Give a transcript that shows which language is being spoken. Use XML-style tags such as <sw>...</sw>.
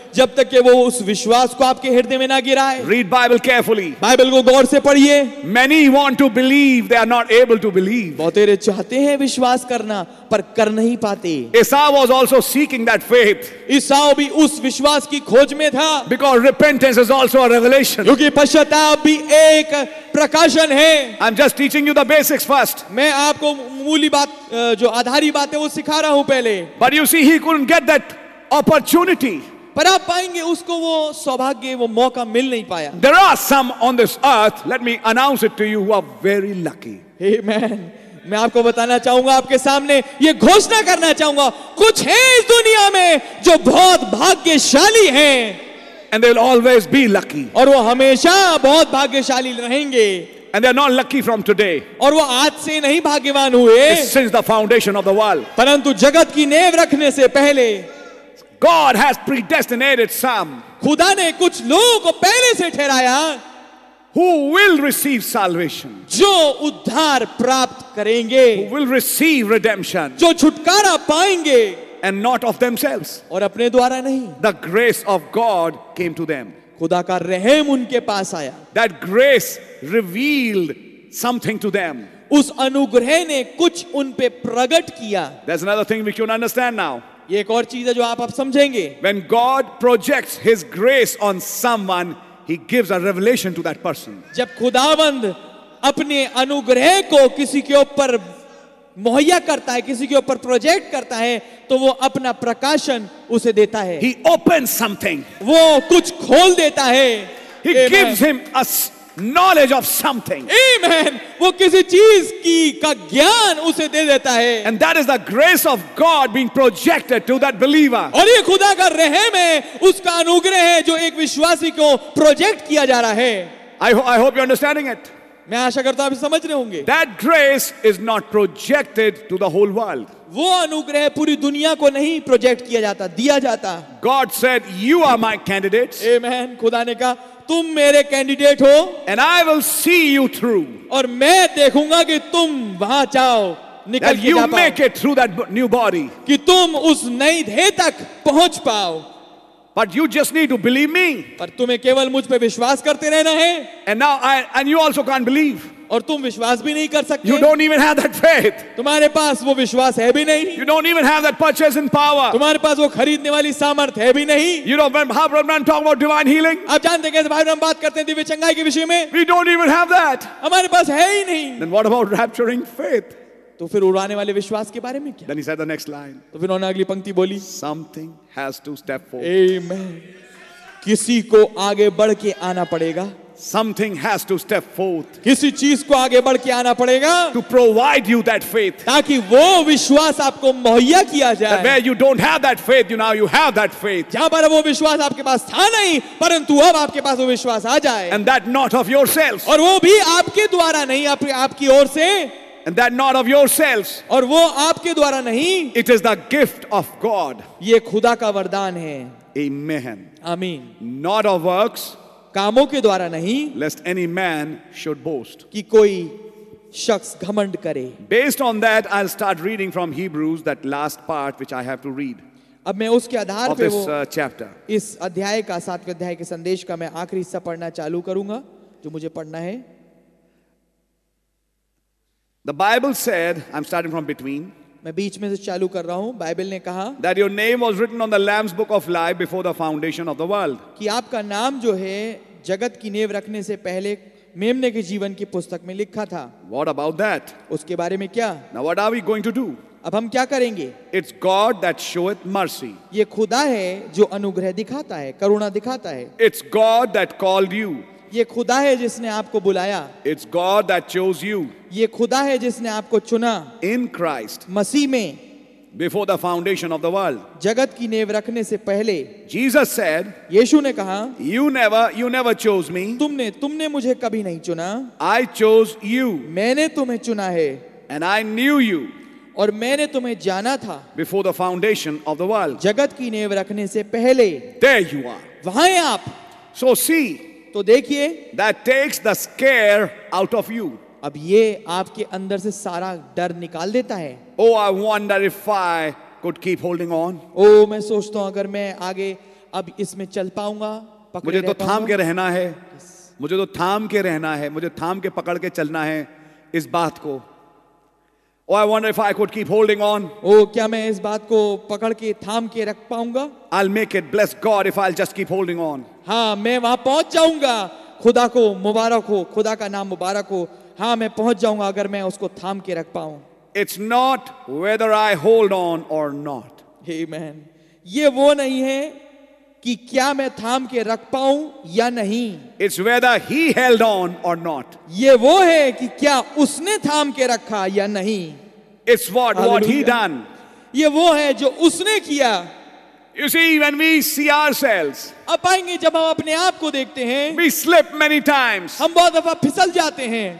<hi>जब तक कि वो उस विश्वास को आपके हृदय में ना गिराए.</hi> <en>Read Bible carefully.</en> <hi>Bible को गौर से पढ़िए.</hi> <en>Many want to believe, they are not able to believe.</en> <hi>बहुत सारे चाहते हैं विश्वास करना, पर कर नहीं पाते.</hi> <en>Esau was also seeking that faith.</en> <hi>Esau भी उस विश्वास की खोज में था.</hi> <en>Because repentance is also a revelation.</en> <hi>क्योंकि पश्चाताप भी एक प्रकाशन है.</hi> <en>I'm just teaching you the basics first.</en> <hi>मैं आपको बात जो आधारी बात है वो सिखा रहा हूं पहले।</hi> <en>But you see, he couldn't get that opportunity.</en> <hi>पर आप पाएंगे उसको वो सौभाग्य, वो मौका मिल नहीं पाया।</hi> <en>There are some on this earth, let me announce it to you, who are very lucky. Amen.</en> <hi>मैं आपको बताना चाहूंगा, आपके सामने ये घोषणा करना चाहूंगा, कुछ है इस दुनिया में जो बहुत भाग्यशाली हैं।</hi> <en>And they'll always be lucky.</en> <hi>और वो हमेशा बहुत भाग्यशाली रहेंगे।</hi> <en>And they are not lucky from today.</en> <hi>और वो आज से नहीं भाग्यवान हुए।</hi> <en>Since the foundation of the world.</en> <hi>परंतु जगत की नेव रखने से पहले।</hi> <en>God has predestinated some.</en> <hi>खुदा ने कुछ लोगों को पहले से ठहराया।</hi> <en>Who will receive salvation?</en> <hi>जो उद्धार प्राप्त करेंगे।</hi> <en>Who will receive redemption?</en> <hi>जो छुटकारा पाएंगे।</hi> <en>And not of themselves.</en> <hi>और अपने द्वारा नहीं।</hi> <en>The grace of God came to them.</en> <hi>खुदा का रहम उनके पास आया।</hi> <en>That grace revealed something to them.</en> <hi>उस अनुग्रह ने कुछ उन पे प्रकट किया।</hi> <en>There's another thing we can understand now.</en> <hi>ये एक और चीज़ है जो आप समझेंगे।</hi> <en>When God projects His grace on someone, He gives a revelation to that person.</en> <hi>जब खुदावंद अपने अनुग्रह को किसी के ऊपर मुहैया करता है, किसी के ऊपर प्रोजेक्ट करता है, तो वो अपना प्रकाशन उसे देता है।</hi> <en>He opens something.</en> <hi>वो कुछ खोल देता है।</hi> <en>He gives him a knowledge of something. Amen.</en> <hi>वो किसी चीज की का ज्ञान उसे दे देता है।</hi> <en>And that is the grace of God being projected to that believer.</en> <hi>और ये खुदा का रहम है, उसका अनुग्रह है जो एक विश्वासी को प्रोजेक्ट किया जा रहा है।</hi> <en>I hope you're understanding it.</en> <hi>मैं आशा करता हूं आप समझ रहे होंगे।</hi> <en>That grace is not projected to the whole world.</en> <hi>वो अनुग्रह पूरी दुनिया को नहीं प्रोजेक्ट किया जाता, दिया जाता।</hi> <en>God said, "You are my candidates." Amen.</en> <hi>खुदा ने कहा, तुम मेरे कैंडिडेट हो।</hi> <en>And I will see you through.</en> <hi>और मैं देखूंगा कि तुम वहां जाओ, निकल</hi> <en>that you make it through that new body.</en> <hi>कि तुम उस नई देह तक पहुंच पाओ।</hi> <en>But you just need to believe me.</en> <hi>पर तुम्हें केवल मुझ पे विश्वास करते रहना है।</hi> <en>And now and you also can't believe.</en> <hi>और तुम विश्वास भी नहीं कर सकते।</hi> <en>You don't even have that faith.</en> <hi>तुम्हारे पास वो विश्वास है भी नहीं।</hi> <en>You don't even have that purchasing power.</en> <hi>तुम्हारे पास वो खरीदने वाली सामर्थ है भी नहीं।</hi> <en>You know when Brother Branham talk about divine healing?</en> <hi>आप जानते हैं कि भाई ब्रह्म बात करते हैं दिव्य चंगाई के विषय में।</hi> <en>We don't even have that.</en> <hi>हमारे पास है ही नहीं।</hi> <en>Then what about rapturing faith?</en> <hi>तो फिर उड़ाने वाले विश्वास के बारे में क्या?</hi> <en>Then he said the next line.</en> <hi>तो फिर उन्होंने अगली पंक्ति बोली।</hi> <en>Something has to step forward. Amen.</en> <hi>किसी को आगे बढ़ के आना पड़ेगा।</hi> <en>Something has to step forth.</en> <hi>किसी चीज को आगे बढ़ के आना पड़ेगा।</hi> <en>To provide you that faith.</en> <hi>ताकि वो विश्वास आपको मुहैया किया जाए।</hi> <en>Where you don't have that faith, you now you have that faith.</en> <hi>जहाँ पर वो विश्वास आपके पास था नहीं, परंतु अब आपके पास वो विश्वास आ जाए।</hi> <en>And that not of yourselves.</en> <hi>और वो भी आपके द्वारा नहीं, आपकी ओर से।</hi> <en>And that not of yourselves.</en> <hi>और वो आपके द्वारा नहीं।</hi> <en>It is the gift of God.</en> <hi>ये खुदा का वरदान है।</hi> <en>Amen.</en> <hi>आमीन।</hi> <en>Not of works.</en> <hi>कामों के द्वारा नहीं,</hi> <en>lest any man should boast.</en> <hi>कि कोई शख्स घमंड करे.</hi> <en>Based on that, I'll start reading from Hebrews, that last part which I have to read.</en> <hi>अब मैं उसके आधार पे</hi> <en>this, chapter.</en> <hi>इस अध्याय का, सातवें अध्याय के संदेश का मैं आखिरी हिस्सा पढ़ना चालू करूंगा जो मुझे पढ़ना है.</hi> <en>The Bible said, I'm starting from between.</en> <hi>मैं बीच में से चालू कर रहा हूं. बाइबल ने कहा,</hi> <en>that your name was written on the Lamb's book of life before the foundation of the world.</en> <hi>कि आपका नाम जो है जगत की नेव रखने से पहले मेमने के जीवन की पुस्तक में लिखा था.</hi> <en>What about that?</en> <hi>उसके बारे में क्या?</hi> <en>Now what are we going to do?</en> <hi>अब हम क्या करेंगे?</hi> <en>It's God that showeth mercy.</en> <hi>ये खुदा है जो अनुग्रह दिखाता है, करुणा दिखाता है.</hi> <en>It's God that called you.</en> <hi>ये खुदा है जिसने आपको बुलाया.</hi> <en>It's God that chose you.</en> <hi>ये खुदा है जिसने आपको चुना.</hi> <en>In Christ.</en> <hi>मसीह में.</hi> <en>Before the foundation of the world.</en> <hi>जगत की नेव रखने से पहले.</hi> <en>Jesus said.</en> <hi>यीशु ने कहा.</hi> <en>You never chose me.</en> <hi>तुमने मुझे कभी नहीं चुना.</hi> <en>I chose you.</en> <hi>मैंने तुम्हें चुना है.</hi> <en>And I knew you.</en> <hi>और मैंने तुम्हें जाना था.</hi> <en>Before the foundation of the world.</en> <hi>जगत की नेव रखने से पहले.</hi> <en>There you are.</en> <hi>वहां है आप.</hi> <en>So see.</en> <hi>तो देखिए.</hi> <en>That takes the scare out of you.</en> <hi>अब ये आपके अंदर से सारा डर निकाल देता है.</hi> <en>Oh, I wonder if I could keep holding on.</en> <hi>Oh, मैं सोचता हूं अगर मैं आगे अब इसमें चल पाऊंगा. मुझे तो थाम के रहना है. मुझे तो थाम के रहना है. मुझे थाम के पकड़ के चलना है इस बात को.</hi> <en>Oh, I wonder if I could keep holding on.</en> <hi>Oh, क्या मैं इस बात को पकड़ के थाम के रख पाऊंगा?</hi> <en>I'll make it. Bless God if I'll just keep holding on.</en> <hi>हाँ, मैं वहां पहुंच जाऊंगा. खुदा को मुबारक हो. खुदा का नाम मुबारक हो. हाँ, मैं पहुंच जाऊंगा अगर मैं उसको थाम के रख पाऊं.</hi> <en>It's not whether I hold on or not. Amen.</en> <hi>ये वो नहीं है कि क्या मैं थाम के रख पाऊं या नहीं.</hi> <en>It's whether he held on or not.</en> <hi>ये वो है कि क्या उसने थाम के रखा या नहीं.</hi> <en>It's what he done.</en> <hi>ये वो है जो उसने किया.</hi> <en>You see, when we see ourselves,</en> <hi>अब पाएंगे जब हम अपने आप को देखते हैं,</hi> <en>we slip many times.</en> <hi>हम बहुत दफा फिसल जाते हैं.</hi>